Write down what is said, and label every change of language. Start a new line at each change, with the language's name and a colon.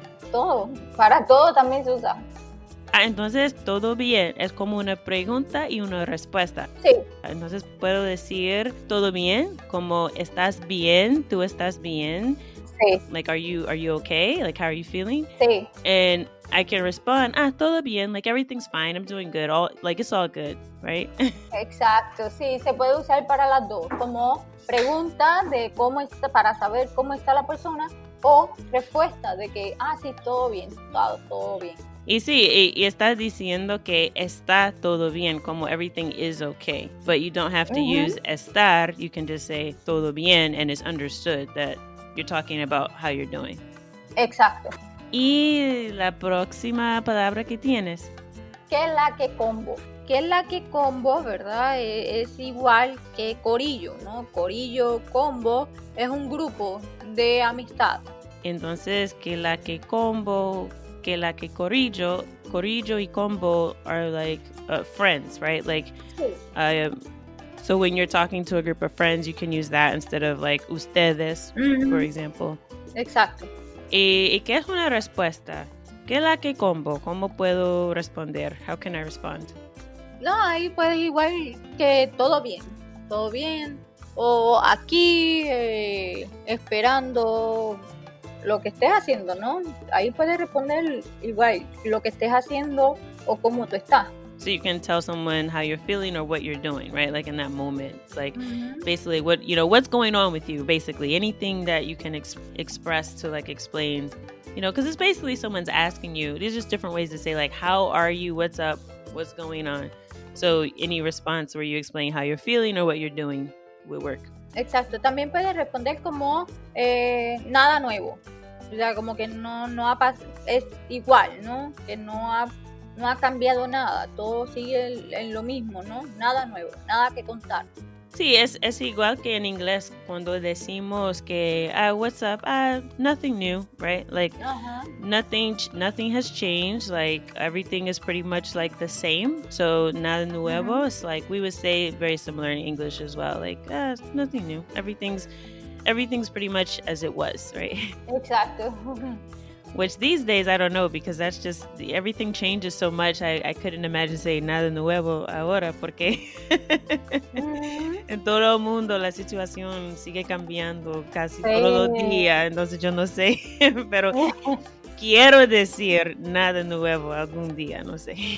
Spanish: Todo, para todo también se usa. Ah, entonces, todo bien, es como una pregunta y una respuesta. Sí. Entonces, puedo decir todo bien, como estás bien, tú estás bien. Sí.
English: Like, are you okay? Like, how are you feeling?
Spanish: Sí.
English: And I can respond, ah, todo bien, like, everything's fine, I'm doing good, all like, it's all good, right?
Spanish: Exacto, sí, se puede usar para las dos, como pregunta de cómo está, para saber cómo está la persona, o respuesta de que, ah, sí, todo bien, todo bien. Y sí, y estás diciendo que está todo bien, como
English: everything is okay. But you don't have to use estar, you can just say todo bien, and it's understood that you're talking about how you're doing.
Spanish: Exacto. ¿Y la próxima palabra que tienes? Que es la que combo. Que es la que combo, ¿verdad? Es igual que corillo, ¿no? Corillo, combo, es un grupo de amistad. Entonces, que la que combo, que la que corillo, corillo y combo
English: are like friends, right? Like,
Spanish: sí.
English: So when you're talking to a group of friends, you can use that instead of like ustedes, for example.
Spanish: Exacto. ¿Y qué es una respuesta? ¿Qué es la que combo? ¿Cómo puedo responder?
English: How can I respond?
Spanish: No, ahí puede igual que todo bien. Todo bien. O aquí, esperando lo que estés haciendo, ¿no? Ahí puedes responder igual lo que estés haciendo o cómo tú estás.
English: So you can tell someone how you're feeling or what you're doing, right? Like in that moment. It's like basically what, you know, what's going on with you, basically. Anything that you can express to like explain, you know, because it's basically someone's asking you. There's just different ways to say like, how are you? What's up? What's going on? So any response where you explain how you're feeling or what you're doing will work.
Spanish: Exacto. También puedes responder como nada nuevo. O sea, como que no ha pasado. Es igual, ¿no? Que no ha cambiado nada. Todo sigue en lo mismo, ¿no? Nada nuevo. Nada que contar. Sí, es igual que en inglés cuando decimos que,
English: what's up? Nothing new, right? Like, nothing has changed. Like, everything is pretty much like the same. So, nada nuevo. Mm-hmm. It's like, we would say very similar in English as well. Like, nothing new. Everything's pretty much as it was, right? Exacto. Which these days, I don't know, because that's just, everything changes so much. I couldn't imagine saying
Spanish: nada nuevo ahora, porque en todo el mundo la situación sigue cambiando casi todos los días. Entonces yo no sé, pero quiero decir nada nuevo algún día, no sé.